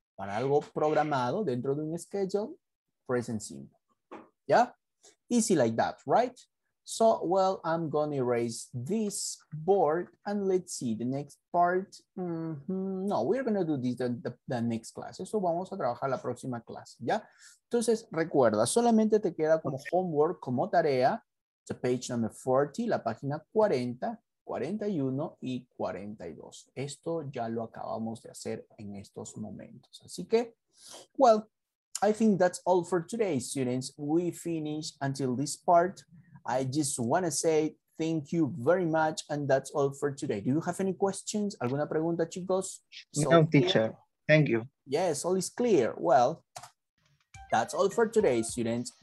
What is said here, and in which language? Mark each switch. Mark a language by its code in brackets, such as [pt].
[es] Para algo programado dentro de un schedule, present simple. [en] Yeah, easy like that, right? So, well, I'm going to erase this board and let's see the next part. Mm-hmm. No, we're going to do this the next class. [es] Eso vamos a trabajar la próxima clase, ¿ya? Entonces, recuerda, solamente te queda como homework, como tarea, [en] the page number 40, [es] la página 40, 41 y 42. Esto ya lo acabamos de hacer en estos momentos. Así que, [en] well, I think that's all for today, students. We finish until this part. I just want to say thank you very much, and that's all for today. Do you have any questions? [es] ¿Alguna pregunta, chicos? [en] No, teacher. Thank you. Yes, all is clear. Well, that's all for today, students.